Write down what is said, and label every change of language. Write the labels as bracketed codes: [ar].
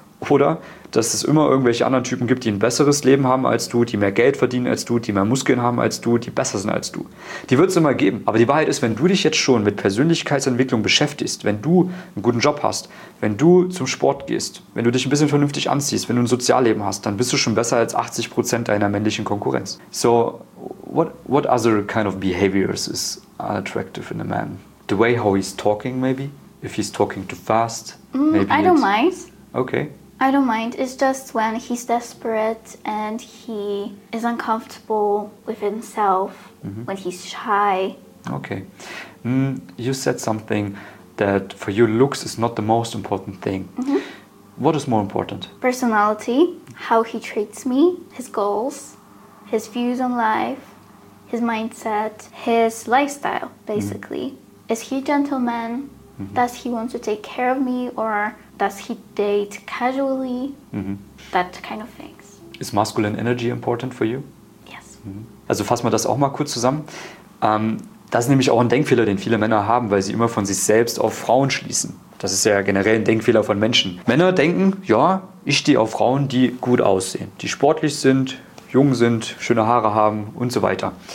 [de] Oder dass es immer irgendwelche anderen Typen gibt, die ein besseres Leben haben als du, die mehr Geld verdienen als du, die mehr Muskeln haben als du, die besser sind als du. Die wird es immer geben. Aber die Wahrheit ist, wenn du dich jetzt schon mit Persönlichkeitsentwicklung beschäftigst, wenn du einen guten Job hast, wenn du zum Sport gehst, wenn du dich ein bisschen vernünftig anziehst, wenn du ein Sozialleben hast, dann bist du schon besser als 80% deiner männlichen Konkurrenz. [en] So, what other kind of behaviors is unattractive in a man? The way how he's talking maybe? If he's talking too fast? Maybe I don't mind. Okay. I don't mind. It's just when he's desperate and he is uncomfortable with himself, mm-hmm. when he's shy. Okay. You said something that for you looks is not the most important thing. Mm-hmm. What is more important? Personality, how he treats me, his goals, his views on life, his mindset, his lifestyle, basically. Mm-hmm. Is he a gentleman? Mm-hmm. Does he want to take care of me, or does he date casually? Mm-hmm. That kind of things. Is masculine energy important for you? Yes. Mm-hmm. [de] Also fassen wir das auch mal kurz zusammen. Das ist nämlich auch ein Denkfehler, den viele Männer haben, weil sie immer von sich selbst auf Frauen schließen. Das ist ja generell ein Denkfehler von Menschen. Männer denken, ja, ich stehe auf Frauen, die gut aussehen, die sportlich sind, jung sind, schöne Haare haben und so weiter.